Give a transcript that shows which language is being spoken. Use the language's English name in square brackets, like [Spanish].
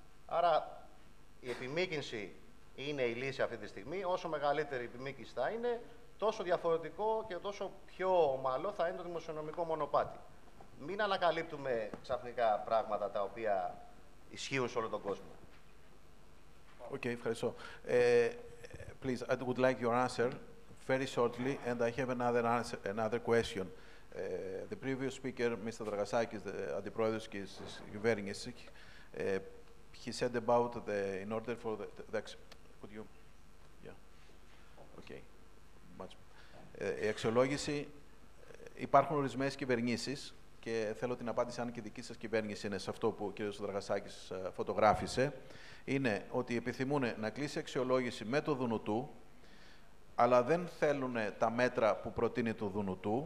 [Greek] Άρα, η επιμήκυνση είναι η λύση αυτή τη στιγμή. Όσο μεγαλύτερη η επιμήκυνση θα είναι, τόσο διαφορετικό και τόσο πιο ομαλό θα είναι το δημοσιονομικό μονοπάτι. Μην ανακαλύπτουμε ξαφνικά πράγματα τα οποία ισχύουν σε όλο τον κόσμο. Okay, ευχαριστώ. [English] Please, I would like your answer very shortly, and I have another question. The previous speaker, Mr. Dragasakis, the Antiprodeus, is very interesting. He said about the, in order for the could you, yeah, okay, much. [Greek] Η αξιολόγηση, υπάρχουν ορισμένες κυβερνήσεις και θέλω την απάντηση αν και δική σας κυβέρνηση είναι σε αυτό που ο κ. Δραγασάκης φωτογράφησε, είναι ότι επιθυμούν να κλείσει αξιολόγηση με το ΔΝΤ, αλλά δεν θέλουν τα μέτρα που προτείνει το ΔΝΤ.